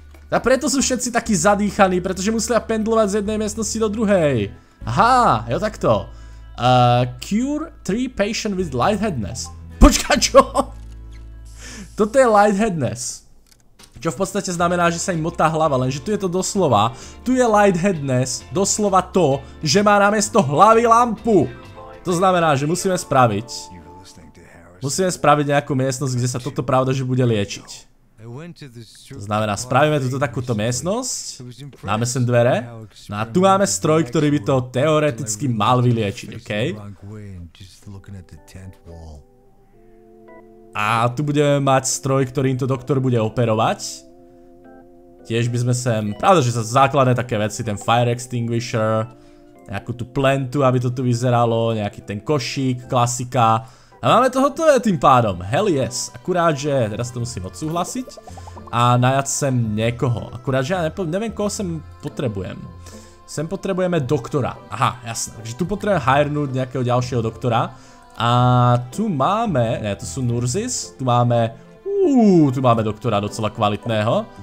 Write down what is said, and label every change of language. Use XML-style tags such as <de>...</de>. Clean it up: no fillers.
<sk>A preto sú všetci takí zadýchaní, pretože musia pendlovať z jednej miestnosti do druhej. Aha, jo, takto.</sk> <en>Cure 3 patient with lightheadedness.</en> <sk>Počka, čo? Toto je lightheadedness. Čo v podstate znamená, že sa im motá hlava, lenže tu je to doslova. Tu je lightheadedness, doslova to, že má namiesto hlavy lampu. To znamená, že musíme spraviť nejakú miestnosť, kde sa toto pravda, že bude liečiť. To znamená, spravíme túto takúto miestnosť, dáme sem dvere, no a tu máme stroj, ktorý by to teoreticky mal vyliečiť, okej? Okay? A tu budeme mať stroj, ktorým to doktor bude operovať. Tiež by sme sem, pravda, že sa základné také veci, ten fire extinguisher, nejakú tú plentu, aby to tu vyzeralo, nejaký ten košík, klasika. A máme to hotové tým pádom,</sk> <en>hell yes.</en> <sk>Akurát, že teraz to musím odsúhlasiť a najať sem niekoho. Akurát, že ja neviem, koho sem potrebujem. Sem potrebujeme doktora. Aha, jasné. Takže tu potrebujem hajrnúť nejakého ďalšieho doktora. A tu máme, ne, to sú nurses, tu máme doktora docela kvalitného.</sk>